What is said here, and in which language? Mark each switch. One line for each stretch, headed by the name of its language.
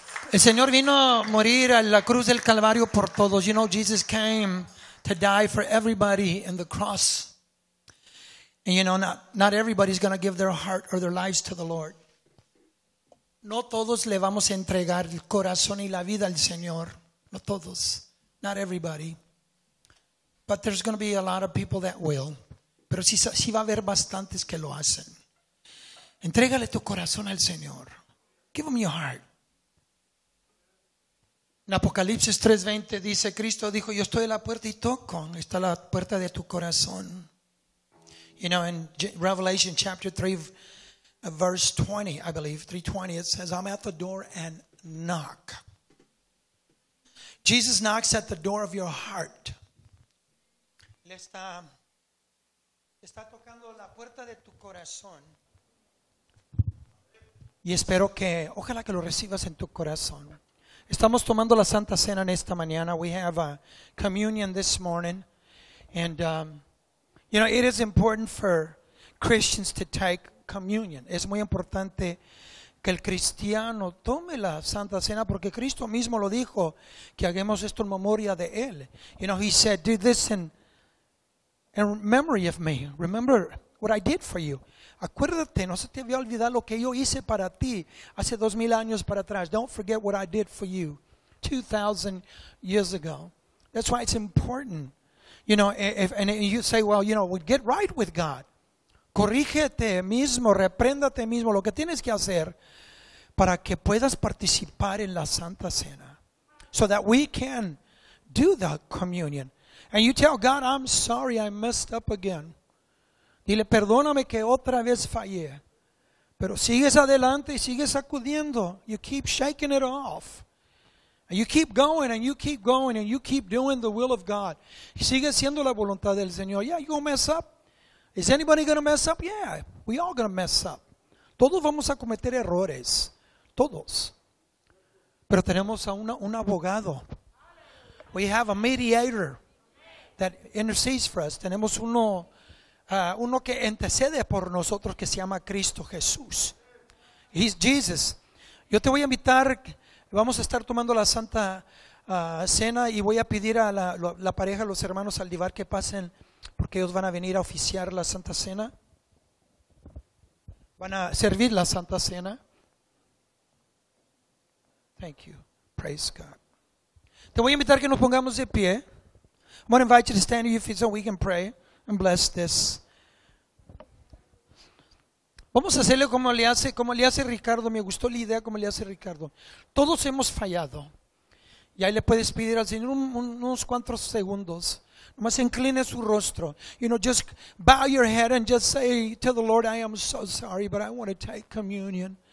Spanish: El Señor vino a morir a la cruz del Calvario por todos.
English: You know, Jesus came to die for everybody in the cross. And you know, not everybody's going to give their heart or their lives to the Lord.
Spanish: No todos le vamos a entregar el corazón y la vida al Señor. No todos.
English: Not everybody. But there's going to be a lot of people that will.
Spanish: Pero sí va a haber bastantes que lo hacen. Entrégale tu corazón al Señor.
English: Give him your heart.
Spanish: En Apocalipsis 3:20 dice, Cristo dijo, yo estoy a la puerta y toco. Está la puerta de tu corazón.
English: You know, in Revelation chapter 3, verse 20, I believe, 3:20, it says, I'm at the door and knock. Jesus knocks at the door of your heart.
Spanish: Le está tocando la puerta de tu corazón. Y espero que, ojalá que lo recibas en tu corazón. Estamos tomando la Santa Cena en esta mañana.
English: We have a communion this morning. And, you know, it is important for Christians to take communion.
Spanish: Es muy importante que el cristiano tome la Santa Cena porque Cristo mismo lo dijo, que hagamos esto en memoria de Él.
English: You know, He said, do this in memory of me. Remember what I did for you.
Spanish: Acuérdate, no se te había olvidado lo que yo hice para ti hace 2,000 años para atrás.
English: Don't forget what I did for you 2,000 years ago. That's why it's important. You know, and you say, well, you know, we get right with God.
Spanish: Corrígete mismo, repréndate mismo lo que tienes que hacer para que puedas participar en la Santa Cena.
English: So that we can do the communion. And you tell God, I'm sorry I messed up again.
Spanish: Dile, perdóname que otra vez fallé. Pero sigues adelante y sigues sacudiendo.
English: You keep shaking it off. And you keep going and you keep going and you keep doing the will of God.
Spanish: Y sigue siendo la voluntad del Señor.
English: Yeah, you're going to mess up. Is anybody going to mess up? Yeah, we all going to mess up.
Spanish: Todos vamos a cometer errores. Todos. Pero tenemos a un abogado.
English: We have a mediator that intercedes for us.
Spanish: Tenemos uno que intercede por nosotros que se llama Cristo Jesús.
English: He's Jesus.
Spanish: Yo te voy a invitar, vamos a estar tomando la Santa Cena y voy a pedir a la pareja, los hermanos Aldivar que pasen porque ellos van a venir a oficiar la Santa Cena. Van a servir la Santa Cena.
English: Thank you. Praise God.
Spanish: Te voy a invitar que nos pongamos de pie.
English: I'm going to invite you to stand to your feet so we can pray and bless this.
Spanish: Vamos a hacerle como le hace Ricardo. Me gustó la idea como le hace Ricardo. Todos hemos fallado. Y ahí le puedes pedir al Señor unos cuantos segundos. Nomás incline su rostro.
English: You know, just bow your head and just say to the Lord, I am so sorry, but I want to take communion.